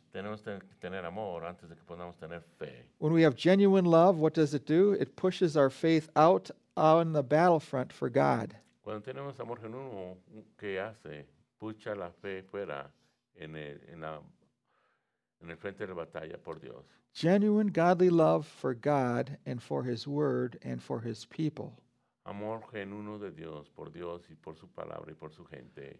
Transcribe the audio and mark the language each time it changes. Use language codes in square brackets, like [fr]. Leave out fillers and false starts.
[es] Tenemos que tener amor antes de que podamos tener fe. [en] When we have genuine love, what does it do? It pushes our faith out on the battlefront for God. [es] Cuando tenemos amor genuino, ¿qué hace? Pucha la fe fuera. En el frente de la batalla por Dios. [en] Genuine godly love for God and for His Word and for His people. [es] Amor genuino de Dios y por su palabra y por su gente.